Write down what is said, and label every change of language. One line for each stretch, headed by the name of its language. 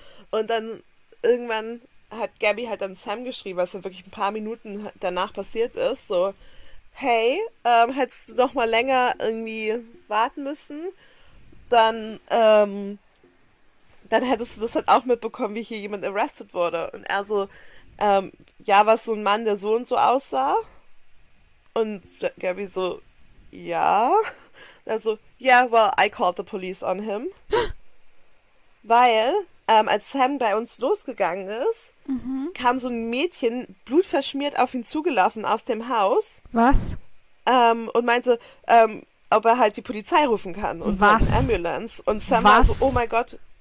German: Und dann irgendwann hat Gabby halt dann Sam geschrieben, was ja wirklich ein paar Minuten danach passiert ist, so, hey, hättest du noch mal länger irgendwie warten müssen, dann hättest du das halt auch mitbekommen, wie hier jemand arrested wurde. Und er so, ja, war es so ein Mann, der so und so aussah? Und Gabby so, ja. Er so,
English: yeah, well, I called the police on him.
German: Weil, als Sam bei uns losgegangen ist, kam so ein Mädchen blutverschmiert auf ihn zugelaufen aus dem Haus Was? und meinte, ob er halt die Polizei rufen kann und halt eine Was? Ambulance. Und Sam war so, Was?